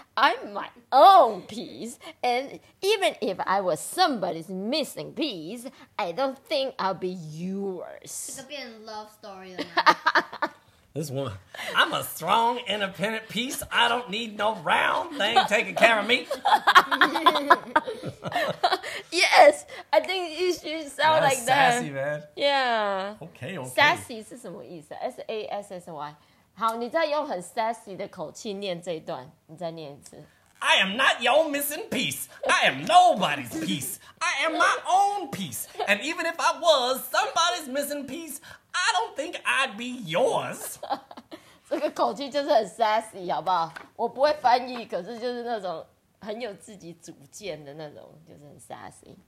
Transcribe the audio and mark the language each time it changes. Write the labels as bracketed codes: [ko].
[en] I'm my own piece. And even if I was somebody's missing piece, I don't think I'll be yours. It could be a love story. This one. I'm a strong, independent piece. I don't need no round thing taking care of me. Yes, I think you should sound like sassy, that. Sassy, man. Yeah. Okay. [zh] Sassy 是什么意思? S-A-S-S-Y. 好，你再用很 sassy 的口气念这一段，你再念一次。 [en] I am not your missing piece. I am nobody's piece. I am my own piece. And even if I was somebody's missing piece, I don't think I'd be yours. [zh] 这个口气就是很 sassy， 好不好？我不会翻译，可是就是那种很有自己主见的那种，就是很 sassy.